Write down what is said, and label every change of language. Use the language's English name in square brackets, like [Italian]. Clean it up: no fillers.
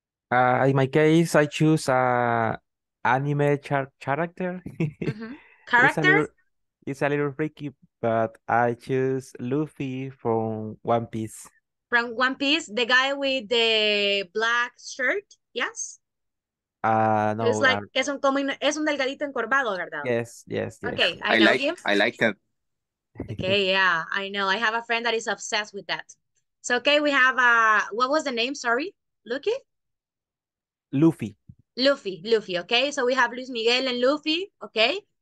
[English] In my case, I choose a anime character. Character. It's a little freaky, but I choose Luffy from One Piece. From One Piece, the guy with the black shirt, yes. It's No, [Spanish] like es un como es un delgadito encorvado, ¿verdad? [English] Okay, I know him. I like that. Okay, yeah, I know. I have a friend that is obsessed with that. So okay, we have what was the name? Sorry, Lucky. Luffy. Luffy, okay. So we have Luis Miguel and Luffy, okay.